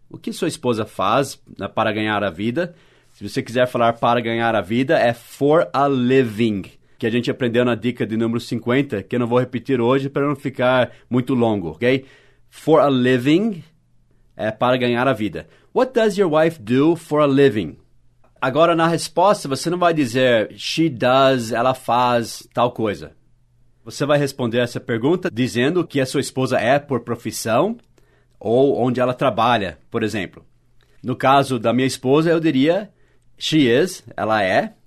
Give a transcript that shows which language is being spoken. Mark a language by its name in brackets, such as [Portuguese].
[Portuguese] O que sua esposa faz para ganhar a vida? Se você quiser falar para ganhar a vida, é for a living, que a gente aprendeu na dica de número 50, que eu não vou repetir hoje para não ficar muito longo, ok? For a living é para ganhar a vida. [English] What does your wife do for a living? [Portuguese] Agora, na resposta, você não vai dizer she does, ela faz tal coisa. Você vai responder essa pergunta dizendo o que a sua esposa é por profissão ou onde ela trabalha, por exemplo. No caso da minha esposa, eu diria she is, ela é.